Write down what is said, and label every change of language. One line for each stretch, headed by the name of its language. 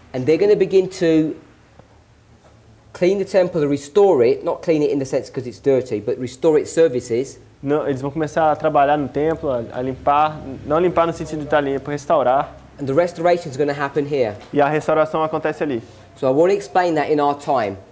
English: And they're going to begin to clean the temple and restore it. Not clean it in the sense because it's dirty, but restore its services.
Portuguese: Não, eles vão começar a trabalhar no templo, a limpar. Não limpar no sentido de estar limpo, restaurar.
English: And the restoration is going to happen here.
Portuguese: E a restauração acontece ali.
English: So I want to explain that in our time.